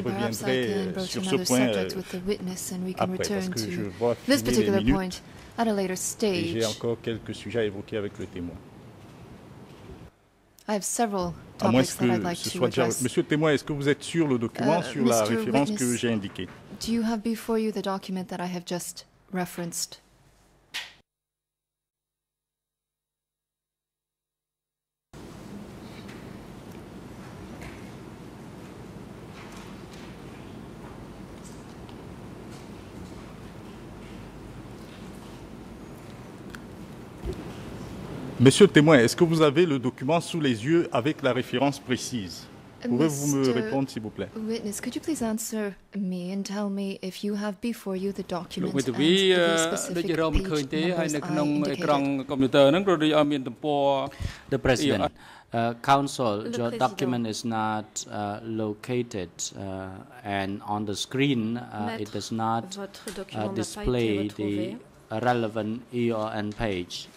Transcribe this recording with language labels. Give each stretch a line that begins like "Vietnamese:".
French: reviendrai sur ce point après, parce que je vois finir les minutes et j'ai encore quelques sujets à évoquer avec le témoin. À moins que ce soit déjà... Monsieur le témoin, est-ce que vous êtes sur le document, sur la référence que j'ai indiquée?
English: Do you have before you the document that I have just referenced?
French: Monsieur le témoin, est-ce que vous avez le document sous les yeux avec la référence précise? Pouvez-vous me répondre, s'il vous plaît?
English: Witness, could you please answer me and tell me if you have before you the document and the specific page numbers I indicated? The President, Counsel, your document is not located, and on the screen, it does not display the relevant EON page.